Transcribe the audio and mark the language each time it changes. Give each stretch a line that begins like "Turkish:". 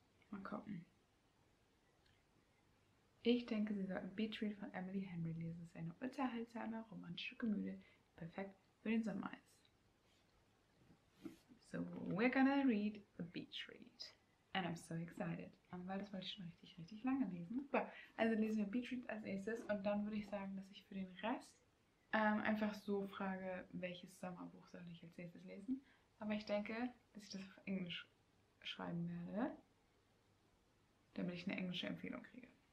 German: Mal gucken. Ich denke, Sie sollten Beach Read von Emily Henry lesen. Es ist eine unterhaltsame, romantische Komödie, die perfekt für den Sommer ist.
English: So, we're gonna read a Beach Read. And I'm so excited.
German: Weil das wollte ich schon richtig, richtig lange lesen. Super. Also lesen wir Beach Read als erstes und dann würde ich sagen, dass ich für den Rest einfach so frage, welches Sommerbuch soll ich als nächstes lesen. Aber ich denke, dass ich das auf Englisch schreiben werde, damit ich eine englische Empfehlung kriege.